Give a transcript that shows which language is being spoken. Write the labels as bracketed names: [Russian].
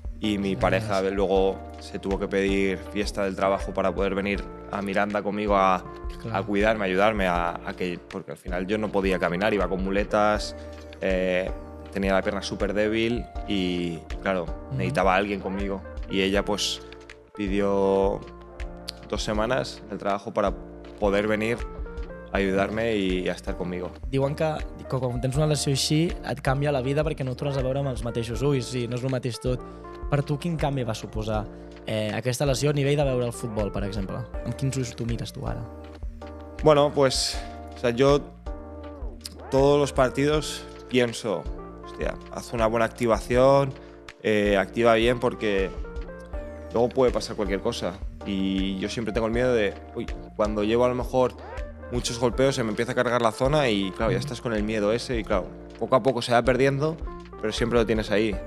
[Spanish] Y mi pareja luego se tuvo que pedir fiesta del trabajo para poder venir a Miranda conmigo a cuidarme, ayudarme a que, porque al final yo no podía caminar, iba con muletas, tenía la pierna súper débil y claro, necesitaba a alguien conmigo. Y ella pues pidió dos semanas de trabajo para poder venir a ayudarme y a estar conmigo. [Catalan] Diuen que quan tens una lesió així et canvia la vida perquè no tornes a veure amb els mateixos ulls i no és el mateix tot. Per tu quin canvi va suposar aquesta lesió a nivell de veure el futbol, per exemple? Amb quins ulls tu mires tu ara? [Spanish] Bueno, pues, o sea, yo todos los partidos pienso, hostia, haz una buena activación, activa bien porque luego puede pasar cualquier cosa. Y yo siempre tengo el miedo de, uy, cuando llevo a lo mejor muchos golpeos se me empieza a cargar la zona y claro, ya estás con el miedo ese y claro, poco a poco se va perdiendo, pero siempre lo tienes ahí.